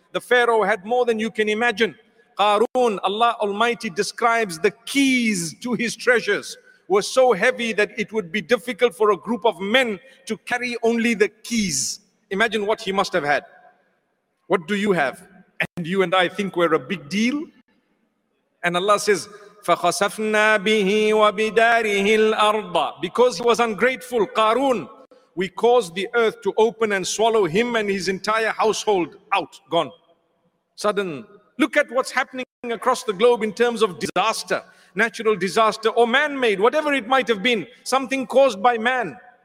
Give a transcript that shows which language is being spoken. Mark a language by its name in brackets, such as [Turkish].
[English] The Pharaoh had more than you can imagine. Qarun, Allah Almighty describes the keys to his treasures were so heavy that it would be difficult for a group of men to carry only the keys. Imagine what he must have had. What do you have? And you and I think we're a big deal? And Allah says, [Arabic] فَخَسَفْنَا بِهِ وَبِدَارِهِ الْأَرْضَ. [English] Because he was ungrateful, Qarun, we caused the earth to open and swallow him and his entire household out, gone. Sudden, look at what's happening across the globe in terms of disaster, natural disaster or man-made, whatever it might have been, something caused by man.